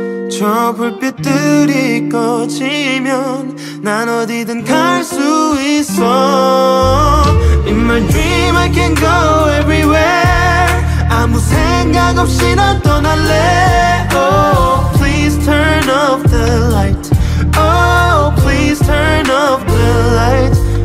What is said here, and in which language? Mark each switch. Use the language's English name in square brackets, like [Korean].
[Korean] 저 불빛들이 꺼지면 난 어디든 갈 수 있어. [English] In my dream I can go everywhere. [Korean] 아무 생각 없이 난 떠날래. [English] Oh, please turn off the light. Oh, please turn off the light.